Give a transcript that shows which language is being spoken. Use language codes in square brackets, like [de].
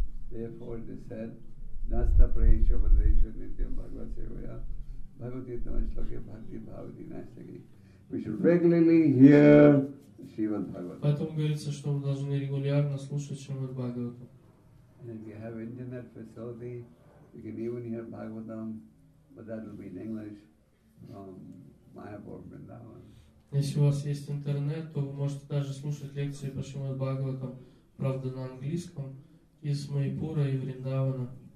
[sa] Therefore, they said, Nasta Praisha Madhresha Nityam Bhagavad Sevaya Bhagavad Gita Vaishloki Bhakti Bhavati Nasagi. [en] We should regularly hear Srimad Bhagavatam. [ru] Потом говорится, что мы должны регулярно слушать Шримад Бхагаватам. [en] And if you have internet facility, you can even hear Bhagavatam, but that will be in English from Mayapur, Vrindavan. [ru] Если у вас есть интернет, то вы можете даже слушать лекции по Шримад Бхагаватам, правда, на английском, из Майпура и Вриндавана.